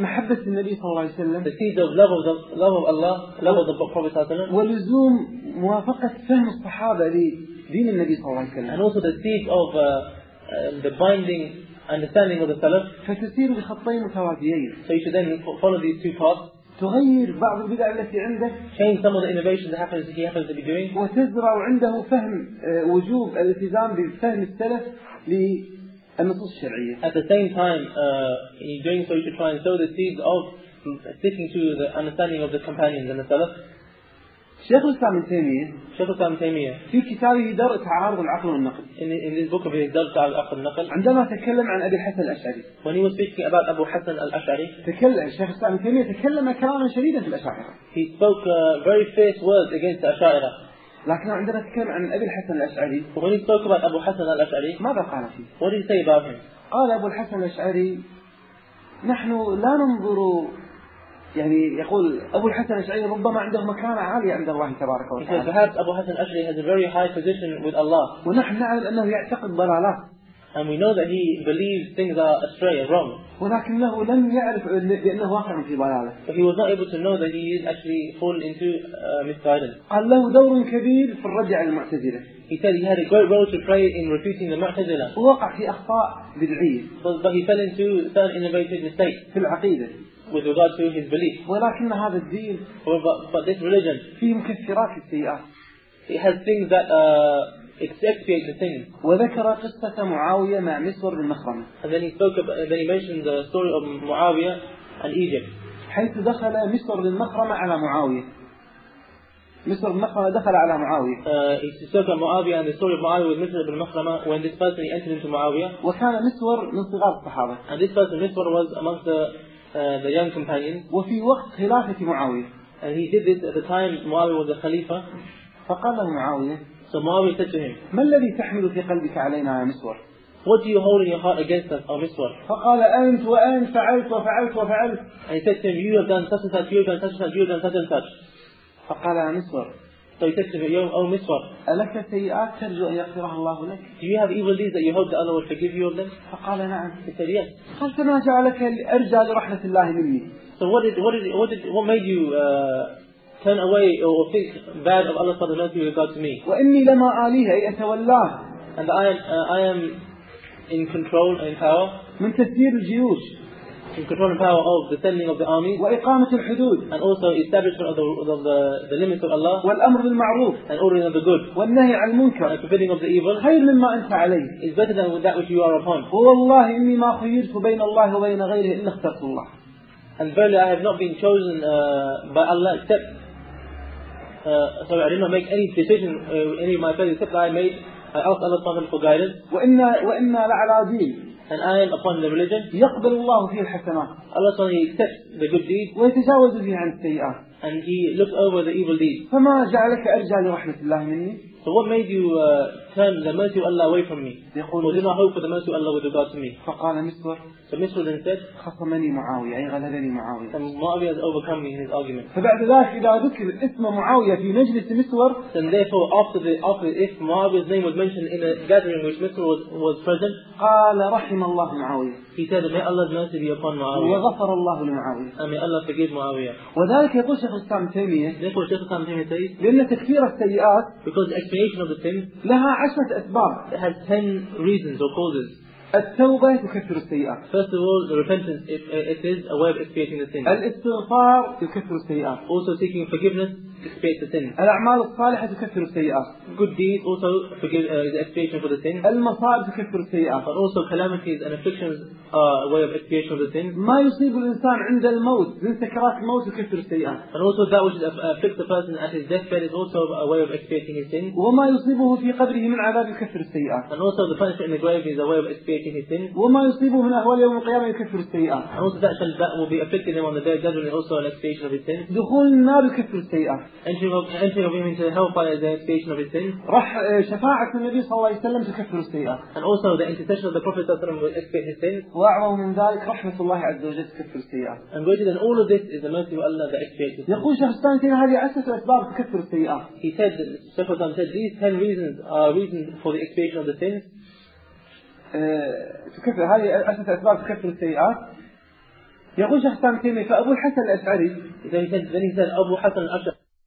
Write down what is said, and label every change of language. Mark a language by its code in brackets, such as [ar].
[ar] محبة النبي صلى الله عليه وسلم. [en] The seeds of love of the love of Allah, love of the Prophet [ar] صلى الله عليه وسلم. ولزوم موافقة فهم الصحابة لدين النبي صلى الله عليه وسلم. [en] And also the seeds of the binding understanding of the Salaf. [ar] فتسير بخطين متواديين. [en] So you should then follow these two paths. [ar] تغير بعض البدع التي عنده. [en] Change some of the innovations that he happens to be doing. [ar] وتزرع عنده فهم وجوب الالتزام بفهم السلف للنصوص الشرعية. [en] At the same time, in doing so, you should try and sow the seeds of sticking to the understanding of the companions and the salaf. [ar] شيخ الإسلام ابن تيمية. في كتابه درء تعارض العقل والنقل. [en] In this book of his درء تعارض العقل والنقل. [ar] عندما تكلم عن أبي الحسن الأشعري. [en] When he was speaking about Abu Hassan al-Ash'ari. [ar] شيخ الإسلام ابن تيمية تكلم كلاما شديدا في الأشاعرة. [en] He spoke very fierce words against the أشاعرة. [ar] لكن عندما تكلم عن أبي الحسن الأشعري. [en] When he spoke about Abu Hassan al-Ash'ari. [ar] ماذا قال فيه؟ [en] What did he say about him؟ [ar] قال أبو الحسن الأشعري نحن لا ننظر. يعني يقول أبو الحسن الأشعري ربما عنده مكانة عالية عند الله تبارك وتعالى. [en] Because perhaps Abu Hassan al-Ash'ari has a very high position with Allah. [ar] ونحن نعلم أنه يعتقد ضلالات. [en] And we know that he believes things are astray and wrong. [ar] ولكنه لم يعرف بأنه واقع في ضلالة. [en] But he was not able to know that he is actually falling into misguidance. [ar] قال له دور كبير في الرجع على المعتزلة. [en] He said he had a great role to play in refuting the Mu'tazila. [ar] ووقع في أخطاء بدعية. [en] But he fell into certain innovative mistakes. [ar] في العقيدة. [en] With regard to his belief. [ar] ولكن هذا الدين. [en] But this religion. [ar] فيه مكفرات السيئات. [en] It has things that expiate the sins. [ar] وذكر قصة معاوية مع مسور بن مخرمة. [en] And then he spoke about, then he mentioned the story of Muawiyah and Egypt. [ar] حيث دخل مسور بن مخرمة على معاوية. مسور بن مخرمة دخل على معاوية. [en] He spoke about Muawiyah and the story of Muawiyah with مسور بن مخرمة when this person entered into Muawiyah. [ar] وكان مسور من صغار الصحابة. [en] And this person مسور was amongst the the young companion. [ar] وفي وقت خلافة معاوية. [en] And he did this at the time Muawiyah was a Khalifa. [ar] فقال له معاوية. [en] So Muawiyah said to him. [ar] ما الذي تحمل في قلبك علينا يا مسور؟ [en] What do you hold in your heart against us, O Miswar? [ar] فقال أنت وأنت فعلت وفعلت وفعلت. [en] And he said to him, you have done such and such, you have done such and such, you have done such and such. [ar] فقال يا مسور. [en] So he said to him, O Miswar. [ar] ألك سيئات ترجو أن يغفرها الله لك؟ [en] Do you have evil deeds that you hope that Allah will forgive you of them? [ar] فقال نعم. [en] He said yes. [ar] قلت ما جعلك أرجى لرحمة الله مني. [en] So what made you turn away or think bad of Allah [ar] Subhanahu wa Taala [en] with regard to me? [ar] وإني لما عليه أي أتولاه. [en] And I am in control and power. [ar] من تدبير الجيوش. [en] In control and power of the sending of the army. [ar] وإقامة الحدود. [en] And also establishment of the limits of Allah. [ar] والأمر بالمعروف. [en] And ordering of the good. [ar] والنهي عن المنكر. [en] And forbidding of the evil. [ar] خير مما أنت عليه. [en] Is better than that which you are upon. [ar] والله إني ما خيرت بين الله وبين غيره إلا اخترت الله. [en] And verily I have not been chosen by Allah except sorry, I did not make any decision with any of my friends except that I asked Allah Subhanahu for guidance. [ar] وَإِنَّا لَعَلَىٰ دِينَ. [en] And I am upon the religion. [ar] يقبل الله فيه الحسنات. [en] Allah Subhanahu accepts the good deeds. [ar] ويتجاوز فيه عن السيئات. [en] And he looks over the evil deeds. [ar] فما جعلك أرجع لرحمة الله مني. [en] So what made you turn the mercy of Allah away from me? [ar] يقول [en] or did not hope for the mercy of Allah with regard to me? [ar] فقال مسور. [en] So Miswar then said. [ar] خصمني معاوية. أي غلبني معاوية. [en] And Muawiyah has overcome me in his argument. [ar] فبعد ذلك إذا ذكر اسم معاوية في مجلس مسور. [en] Then therefore after if Muawiyah's name was mentioned in a gathering which Miswar was present. [ar] قال رحم الله معاوية. [en] He said may Allah's mercy be upon Muawiyah. [ar] وغفر الله لمعاوية. [en] And may Allah forgive Muawiyah. [ar] وذلك يقول شيخ الإسلام تيمية. [en] Therefore شيخ الإسلام تيمية says. [ar] لأن تكفير السيئات. [en] Because explanation of the sin. [ar] لها عشرة أسباب. [en] It has 10 reasons or causes. [ar] التوبة تكفر السيئات. [en] First of all, the repentance it is a way of expiating the sin. [ar] الاستغفار يكفر السيئات. [en] Also seeking forgiveness expiates the sin. [ar] الأعمال الصالحة تكفر السيئات. [en] Good deeds also forgive is expiation for the sin. [ar] المصائب تكفر السيئات. [en] But also calamities and afflictions are a way of expiation of the sin. [ar] ما يصيب الإنسان عند الموت من سكرات الموت يكفر السيئات. [en] And also that which afflicts the person at his deathbed is also a way of expiating his sin. [ar] وما يصيبه في قبره من عذاب يكفر السيئات. [en] And also the punishment in the grave is a way of [ar] وما يصيبه هنا هو اليوم القيامة يكفر السيئات. [en] And also that shall that will be afflicted him on the day of judgment also an expiation of his sin. [ar] دخول النار يكفر السيئات. [en] Entering of him into hellfire is an expiation of his sin. [ar] رح شفاعة النبي صلى الله عليه وسلم تكفر السيئات. [en] And also the intercession of the Prophet [ar] صلى الله عليه وسلم [en] will expiate his sin. [ar] وأعظم من ذلك رحمة الله عز وجل تكفر السيئات. [en] And greater than all of this is the mercy of Allah that expiates his sin. [ar] يقول شيخ الإسلام تيمية هذه أساس أسباب تكفر السيئات. [en] He said, Shaykh Al-Islam said, these 10 reasons are reasons for the expiation of the sins. [ar] تكفر هذه أساس أسباب تكفر السيئات. يقول شخص ثاني فأبو الحسن الأشعري إذا يسند أبو حسن الأشعري.